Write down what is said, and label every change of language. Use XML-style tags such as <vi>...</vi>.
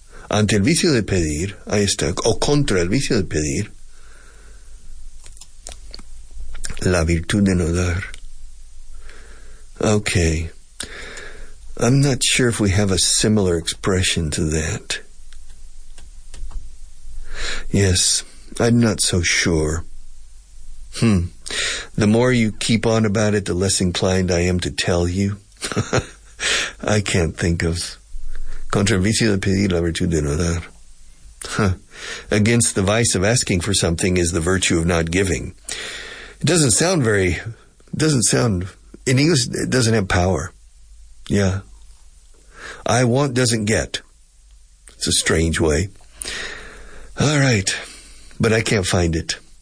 <es>Ante el vicio de pedir, ahí está, o contra el vicio de pedir, la virtud de no dar.</es> <en>Okay. I'm not sure if we have a similar expression to that. Yes, I'm not so sure. The more you keep on about it, the less inclined I am to tell you. I can't think of...</en> <es>Contra el vicio de pedir, la virtud de no dar.</es> <en>Against the vice of asking for something is the virtue of not giving. It doesn't sound very... In English, it doesn't have power. Yeah. I want doesn't get. It's a strange way. All right. But I can't find it.</en>